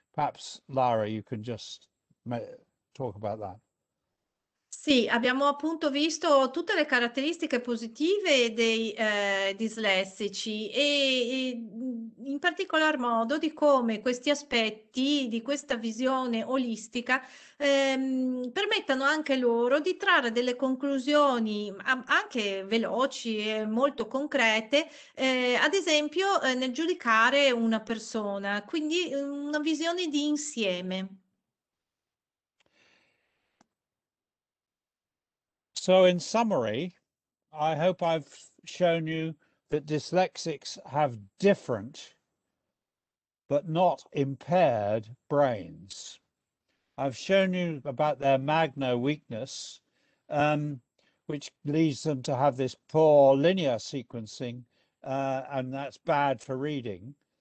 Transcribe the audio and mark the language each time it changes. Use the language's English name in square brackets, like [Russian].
[English] Perhaps Lara, you can just talk about that. [Italian] Sì, abbiamo appunto visto tutte le caratteristiche positive dei dislessici e in particolar modo di come questi aspetti di questa visione olistica permettano anche loro di trarre delle conclusioni anche veloci e molto concrete, ad esempio nel giudicare una persona, quindi una visione di insieme. [English] So in summary, I hope I've shown you that dyslexics have different but not impaired brains. I've shown you about their magna weakness, which leads them to have this poor linear sequencing, and that's bad for reading.